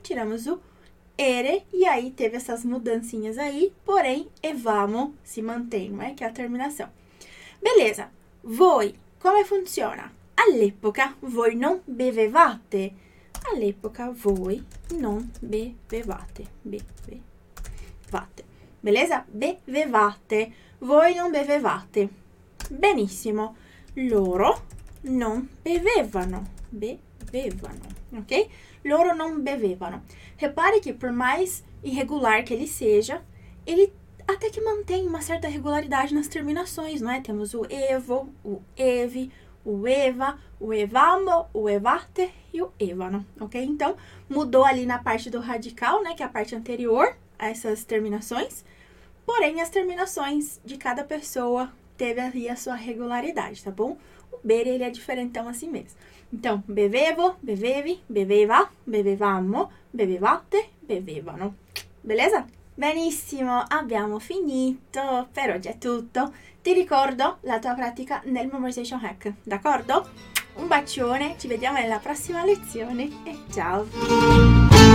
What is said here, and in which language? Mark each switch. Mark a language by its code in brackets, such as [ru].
[pt] Tiramos o ere e aí teve essas mudancinhas aí, porém, evamo se mantém, não é? Que é a terminação. Beleza. Voi, como funciona? [it] All'epoca voi non bevevate. All'epoca voi non bevevate. Bevevate. Beleza? Bevevate. Voi non bevevate. Benissimo. Loro non bevevano. Bevevano. Ok? Loro non bevevano. [pt] Repare che per mais irregular che ele seja, ele até che mantém uma certa regularidade nas terminações, não é? Temos o evo, o evi, ueva, uevamo, uevate e o evano, ok? Então, mudou ali na parte do radical, né? Que é a parte anterior a essas terminações. Porém, as terminações de cada pessoa teve ali a sua regularidade, tá bom? O ber, ele é diferentão assim mesmo. [it] Então, bevevo, bevevi, beveva, bevevamo, bevevate, bevevano. Beleza? Benissimo, abbiamo finito. Per oggi è tutto. Ti ricordo la tua pratica nel Memorization Hack, d'accordo? Un bacione, ci vediamo nella prossima lezione e ciao!